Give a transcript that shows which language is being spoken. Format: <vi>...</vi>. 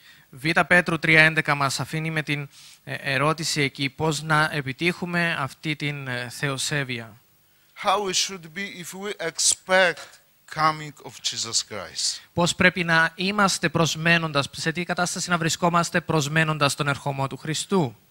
<el>Βήτα Πέτρου 3:11 μας αφήνει με την ερώτηση εκεί πώς να επιτύχουμε αυτή την θεοσέβεια.</el> <en>How we should be if we expect coming of Jesus Christ.</en> <el>Πώς πρέπει να είμαστε προσμένοντας, σε τι κατάσταση να βρισκόμαστε προσμένοντας τον ερχομό του Χριστού.</el>